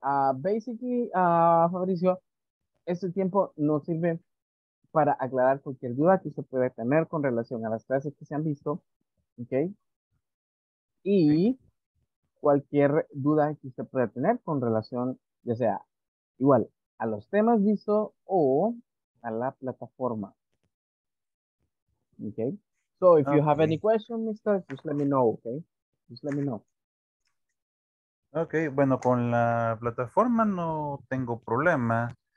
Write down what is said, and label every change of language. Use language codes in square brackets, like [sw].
[es] Fabricio, este tiempo no sirve para aclarar cualquier duda que usted pueda tener con relación a las clases que se han visto, ¿ok? Y, cualquier duda que usted pueda tener con relación, ya sea igual a los temas visto o a la plataforma. [en] Okay. So if you have any question, mister, just let me know, okay? Just let me know. [es] Okay, bueno, con la plataforma no tengo problema.